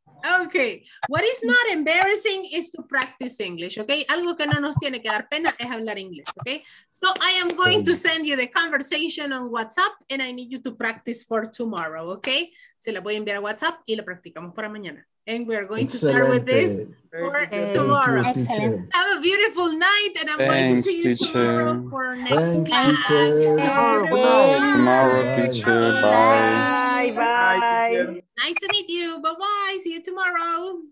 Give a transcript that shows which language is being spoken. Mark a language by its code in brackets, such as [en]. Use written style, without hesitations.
[en] Okay, what is not embarrassing is to practice English, okay? [es] Algo que no nos tiene que dar pena es hablar inglés, okay? [en] So I am going to send you the conversation on WhatsApp and I need you to practice for tomorrow, okay? [es] Se la voy a enviar a WhatsApp y lo practicamos para mañana. [en] And we are going to start with this for tomorrow. Excellent. Have a beautiful night and I'm going to see you tomorrow for next class. Thanks, teacher. Bye. Bye. Nice to meet you. Bye-bye. See you tomorrow.